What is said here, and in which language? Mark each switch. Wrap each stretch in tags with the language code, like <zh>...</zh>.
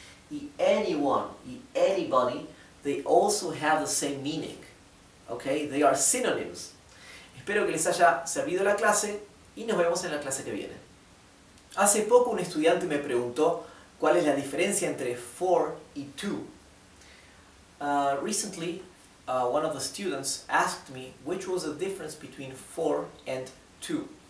<en>Y anyone y anybody, they also have the same meaning. Okay? They are synonyms.</en> <es>Espero que les haya servido la clase y nos vemos en la clase que viene. Hace poco un estudiante me preguntó cuál es la diferencia entre for y to.</es> <en>Recently, one of the students asked me which was the difference between for and to.</en>